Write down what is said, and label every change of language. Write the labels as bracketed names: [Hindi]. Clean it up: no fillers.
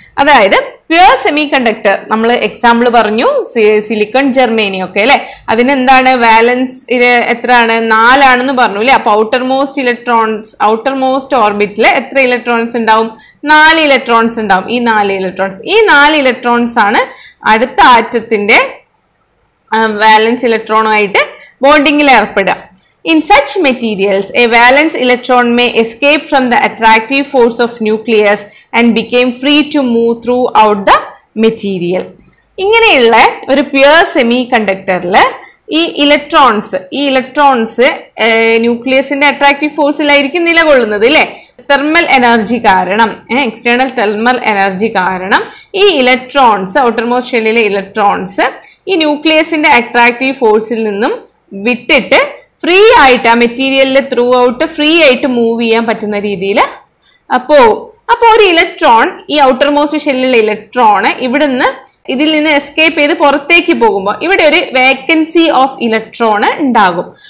[Malayalam] അതായത് pure semi conductor, നമ്മൾ example പറഞ്ഞു സിലിക്കൺ ജർമേനിയം ഒക്കെ അല്ലെ, അതിനെന്താണ് വാലൻസ് എത്രയാണ്, നാലാണെന്ന് പറഞ്ഞു അല്ലെ. അപ്പൊ outer most electrons, outer most ഓർബിറ്റിൽ എത്ര ഇലക്ട്രോൺസ് ഉണ്ടാവും, നാല് ഇലക്ട്രോൺസ് ഉണ്ടാവും. ഈ നാല് ഇലക്ട്രോൺസ്, ഈ നാല് ഇലക്ട്രോൺസ് ആണ് അടുത്ത ആറ്റത്തിന്റെ വാലൻസ് ഇലക്ട്രോണുമായിട്ട് ബോണ്ടിങ്ങിൽ ഏർപ്പെടുക. [English] In such materials, a valence electron may escape from the attractive force of nucleus and became free to move throughout the material. [Malayalam] ഇങ്ങനെയുള്ള ഒരു പ്യുർ സെമികണ്ടക്ടറിൽ ഈ ഇലക്ട്രോൺസ് ന്യൂക്ലിയസിന്റെ അട്രാക്റ്റീവ് ഫോഴ്സിലായിരിക്കും നിലകൊള്ളുന്നത് അല്ലേ. തെർമൽ എനർജി കാരണം, എക്സ്റ്റേണൽ തെർമൽ എനർജി കാരണം ഈ ഇലക്ട്രോൺസ്, ഔട്ടർമോസ്റ്റ് ഷെല്ലിലെ ഇലക്ട്രോൺസ് ഈ ന്യൂക്ലിയസിന്റെ attractive ഫോഴ്സിൽ നിന്നും വിട്ടിട്ട് ഫ്രീ ആയിട്ട് ആ മെറ്റീരിയലില് ത്രൂ ഔട്ട് ഫ്രീ ആയിട്ട് മൂവ് ചെയ്യാൻ പറ്റുന്ന രീതിയിൽ അപ്പോ ഒരു ഇലക്ട്രോൺ, ഈ ഔട്ടർ മോസ്റ്റ് ഷെല്ലിലെ ഇലക്ട്രോണ് ഇവിടെ നിന്ന് ഇതിൽ നിന്ന് എസ്കേപ്പ് ചെയ്ത് പുറത്തേക്ക് പോകുമ്പോൾ ഇവിടെ ഒരു വേക്കൻസി ഓഫ് ഇലക്ട്രോണ് ഉണ്ടാകും.